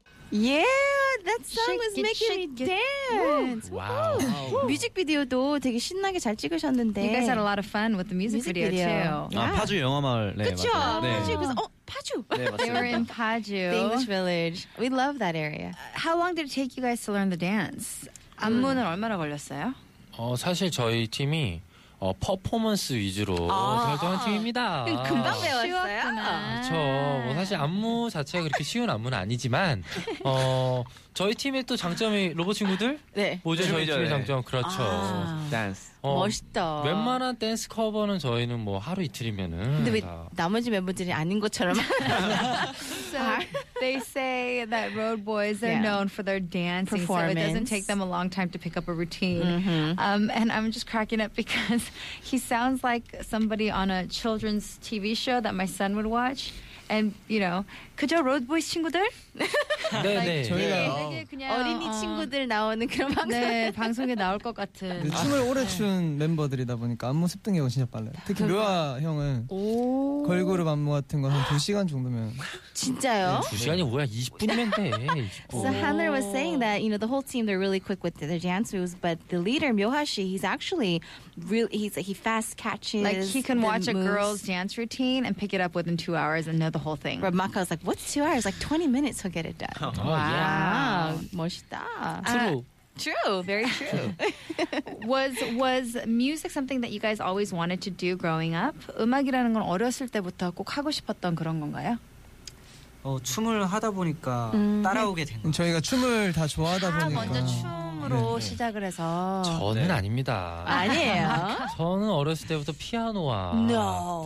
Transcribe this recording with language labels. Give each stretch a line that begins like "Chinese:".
English: Yeah, that song shake was it, making me dance. Wow. Wow.
Korean: 뮤직비디오도 되게 신나게 잘 찍으셨는데.
English: You guys had a lot of fun with the music video too. Yeah.
Korean: 아, 파주 영화마을. 네, 그쵸? 네. 파주. 그래서, 파주. 네,
English: they were in Paju. The English village. We love that area. How long did it take you guys to learn the dance?
Korean: 안무는 얼마나 걸렸어요? 사실 저희 팀이 퍼포먼스 위주로 결정한 팀입니다. 금방 배웠어요. 그렇죠. 뭐 사실 안무 자체가 그렇게 쉬운 안무는 아니지만 저희 팀의 또 장점이 로봇 친구들? 네. 뭐죠? 저희 팀의 장점. 그렇죠. 댄스. 멋있다. 웬만한 댄스 커버는 저희는 뭐 하루 이틀이면은 근데 왜 나머지 멤버들이 아닌 것처럼
English: They say that road boys are known for their dancing, so it doesn't take them a long time to pick up a routine. And I'm just cracking up because he sounds like somebody on a children's TV show that my son would watch. And, you know,
Korean: 그저 로드보이즈 친구들? 네, 네. 저희가 어린이 친구들 나오는 그런 방송. 네, 방송에 나올 것 같은. 춤을 오래 춘 멤버들이다 보니까 안무 습득력이 진짜 빨라요. 특히 묘아 형은 걸그룹 안무 같은 거 한 2시간 정도면. 진짜요? 네, 2시간이 뭐야? 20분이면 돼. 20분.
English: So Hanner was saying that, you know, the whole team, they're really quick with their dance moves, but the leader, Myoha Shi, he's actually really, he's like, he fast catches. Like, he can watch A girl's dance routine and pick it up within 2 hours and know the whole thing. But Maka was like, what's 2 hours? Like, 20 minutes he'll get it done. Oh, wow. Yeah.
Korean: 멋있다.
English: True. Very true. was music something that you guys always wanted to do growing up?
Korean: 음악이라는 건 어렸을 때부터 꼭 하고 싶었던 그런 건가요? 춤을 하다 보니까 따라오게 된 거예요. 저희가 춤을 다 좋아하다 보니까. 먼저 춤으로 네. 시작을 해서. 저는 네. 아닙니다. 아니에요. 저는 어렸을 때부터 피아노와.
English: No.